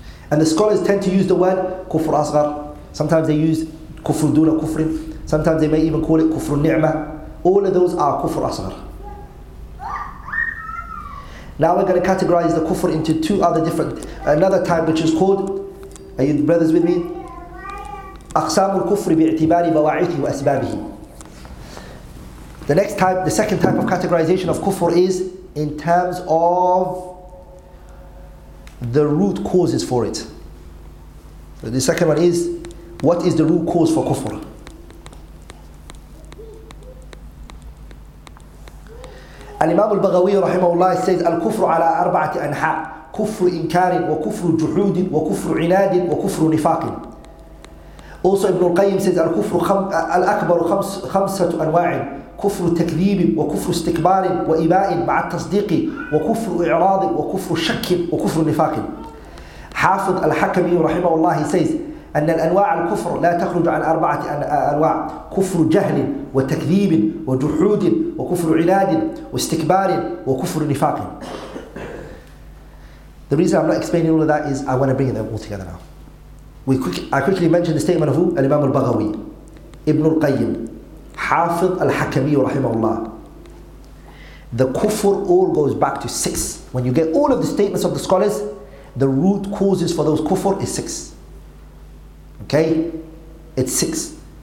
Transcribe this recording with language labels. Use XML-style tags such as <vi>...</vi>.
<en>And the scholars tend to use the word kufr asghar. Sometimes they use kufr duna kufrin. Sometimes they may even call it kufr ni'mah. All of those are kufr asghar. Now we're going to categorize the kufr into two other different, another type which is called, are you brothers with me?</en> <ar>أقسام الكفر بإعتبار بواعثه وأسبابه.</ar> <en>The next type, the second type of categorization of kufr is in terms of the root causes for it. So the second one is, what is the root cause for kufr?</en> <ar>الإمام البغوي رحمه الله says الكفر على أربعة أنحاء. كفر إنكار وكفر جحود وكفر عناد وكفر نفاق. Also ابن القيم says الكفر الأكبر خمسة أنواع: كفر تكذيب وكفر استكبار وإباء مع التصديق وكفر إعراض وكفر شك وكفر نفاق. حافظ الحكمي رحمه الله says أن الأنواع الكفر لا تخرج عن أربعة أنواع: كفر جهل وتكذيب وجحود وكفر عناد واستكبار وكفر نفاق.</ar> <en>The reason I'm not explaining all of that is I want to bring them all together now. I quickly mentioned the statement of who? Al-Imam al-Baghawi, Ibn al-Qayyim, Hafiz al-Hakami rahimahullah. The kufr all goes back to six. When you get all of the statements of the scholars, the root causes for those kufr is six. Okay? It's six.</en>